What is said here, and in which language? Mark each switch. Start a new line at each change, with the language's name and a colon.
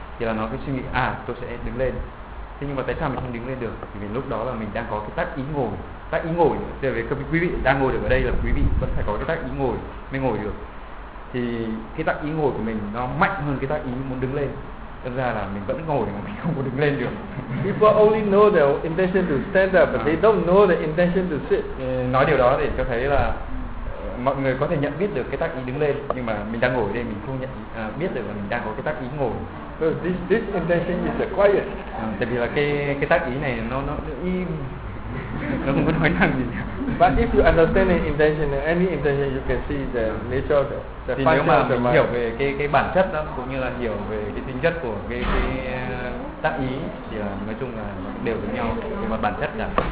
Vietnamese: Thì là nó cái suy nghĩ, tôi sẽ đứng lên. Thế nhưng mà tại sao mình không đứng lên được? Thì lúc đó là mình đang có cái tác ý ngồi. Tác ý ngồi, thì về quý vị đang ngồi được ở đây là quý vị vẫn phải có cái tác ý ngồi mới ngồi được. Thì cái tác ý ngồi của mình nó mạnh hơn cái tác ý muốn đứng lên. Thật ra là mình vẫn ngồi mà mình không có đứng lên được.
English: People only know the intention to stand up, but they don't know the intention to sit.
Vietnamese: Nói điều đó để cho thấy là mọi người có thể nhận biết được cái tác ý đứng lên, nhưng mà mình đang ngồi đây mình không nhận biết được là mình đang có cái tác ý ngồi.
English: So this intention is quiet.
Vietnamese: Tại vì là cái tác ý này nó im. Nó không có nói năng gì.
English: But if you understand any intention, you can see the nature of it.
Vietnamese: Thì nếu mà mình hiểu về cái bản chất đó cũng như là hiểu về cái tính chất của cái tác ý thì là nói chung là đều với nhau về mặt bản chất cả.